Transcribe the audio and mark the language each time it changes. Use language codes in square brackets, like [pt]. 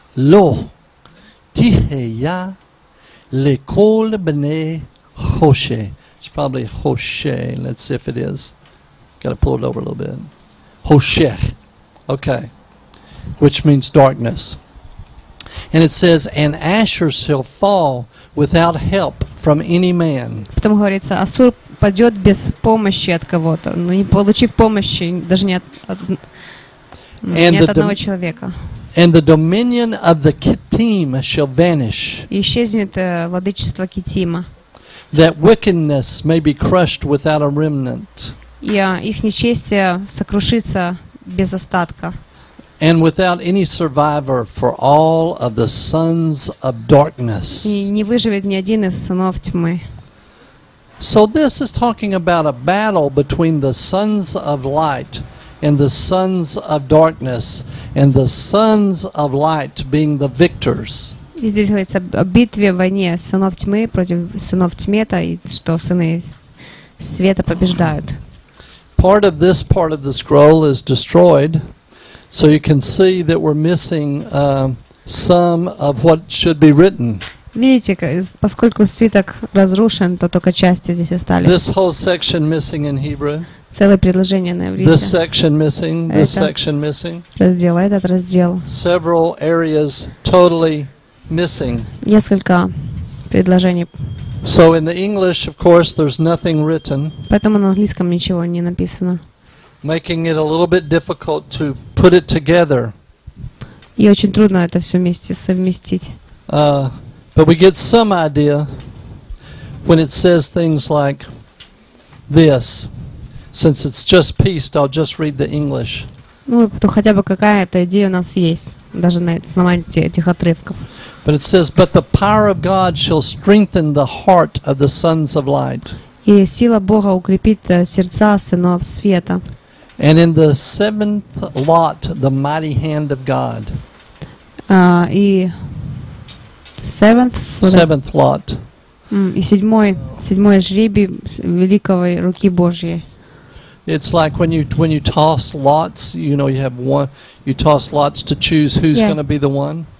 [he] Lo, Tiheya Lekol Bene Hoshe. [en] It's probably Hoshe. Let's see if it is. Got to pull it over a little bit. Hoshech. Okay. Which means darkness. And it says, and Asher shall fall without help from any man. [ru] Потом говорится, Ассур падет без помощи от кого-то, но не получив помощи даже не от одного человека. [en] And the dominion of the Kittim shall vanish. [ru] Исчезнет владычество Китима. [en] That wickedness may be crushed without a remnant. [ru] И их нечестие сокрушится без остатка. [en] And without any survivor for all of the sons of darkness. [ru] И не выживет ни один из сынов тьмы. [en] So this is talking about a battle between the sons of light and the sons of darkness, and the sons of light being the victors. [ru] И здесь говорится о битве, войне сынов тьмы против сынов тьмета, и что сыны света побеждают. [en] Part of this part of the scroll is destroyed, so you can see that we're missing some of what should be written. [ru] Видите, поскольку свиток разрушен, то только части здесь остались. [en] This whole section missing in Hebrew. [ru] Целое предложение на иврите. [en] This section missing. This section missing. [ru] Раздел, этот раздел. [en] Several areas totally missing. [ru] Несколько предложений. [en] So in the English, of course, there's nothing written. [ru] Поэтому на английском ничего не написано. [en] Making it a little bit difficult to put it together. [ru] И очень трудно это все вместе совместить. [en] But we get some idea when it says things like this. Since it's just pieced, I'll just read the English. [ru] Ну, то хотя бы какая-то идея у нас есть, даже на основании этих отрывков. [en] But it says, but the power of God shall strengthen the heart of the sons of light. [ru] И сила Бога укрепит сердца сынов света. [en] And in the seventh lot, the mighty hand of God. [ru] И [en] seventh, seventh lot. [ru] И седьмой жребий великой руки Божьей. [en] It's like when you toss lots, you know, you have one, you toss lots to choose who's going to be the one.